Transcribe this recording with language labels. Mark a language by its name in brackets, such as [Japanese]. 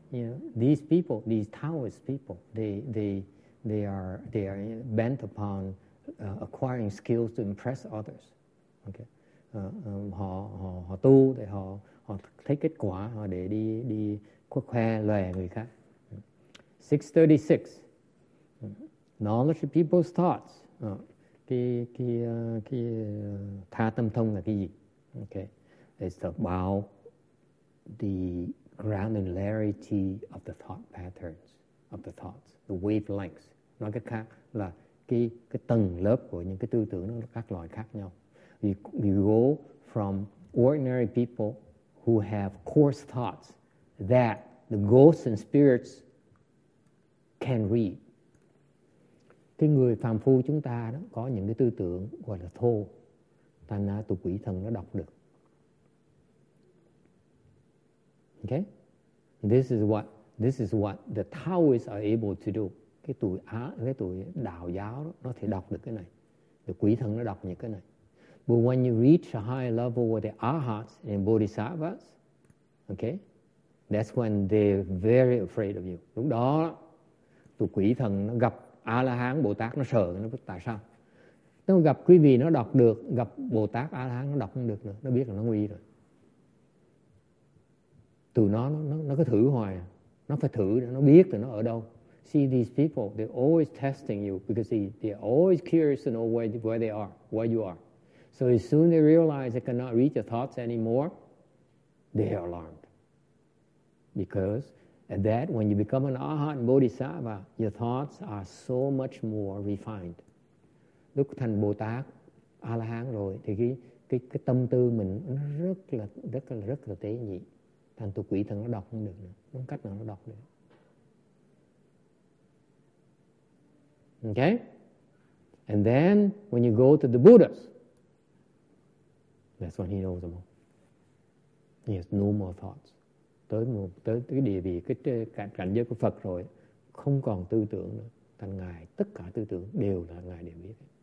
[English] You know, these people, these Taoist people, they are bent upon acquiring skills to impress others. Okay. [Vietnamese] Họ tu để họ thấy kết quả, họ để đi khoe lòe người khác. [English] 636. Knowledge of people's thoughts. [Vietnamese] Tha tâm thông là cái gì? Okay. [English] It's about the granularity of the thought patterns, of the thoughts, the wavelengths. [Vietnamese] Nói cách khác là cái tầng lớp của những cái tư tưởng nó các loại khác nhau. [English] We go from ordinary people who have coarse thoughts that the ghosts and spirits can read. [Vietnamese] Cái người phàm phu chúng ta đó có những cái tư tưởng gọi là thô, thành ra tụi quỷ thần nó đọc được. [English] Okay, this is what the Taoists are able to do. [Vietnamese] Cái tụi đạo giáo đó, nó thể đọc được cái này, the quỷ thần nó đọc những cái này. [English] But when you reach a high level where the arhats and bodhisattvas, okay, that's when they're very afraid of you. [Vietnamese] Lúc đó tụi quỷ thần nó gặp A-la-hán, Bồ-Tát nó sợ, nó biết tại sao. Nó gặp quý vị nó đọc được, gặp Bồ-Tát, A-la-hán nó đọc không được nữa. Nó biết là nó nguy rồi. từ nó cứ thử hoài, nó phải thử, nó biết là nó ở đâu. [English] See these people, they're always testing you because they're always curious to know where they are, where you are. So as soon they realize they cannot read your thoughts anymore, they are alarmed. Because at that, when you become an arahant bodhisattva, your thoughts are so much more refined. [Vietnamese] Lúc thành Bồ Tát, A-la-hán rồi, thì cái tâm tư mình nó rất là tế nhị. Thành tụ quỷ thần nó đọc không được nữa. Không cách nào nó đọc được. [English] Okay? And then, when you go to the Buddhas, that's when he knows them all. He has no more thoughts. [Vietnamese] Tới địa vị, cái cảnh giới của Phật rồi, không còn tư tưởng nữa. Thành Ngài, tất cả tư tưởng đều là Ngài đều biết.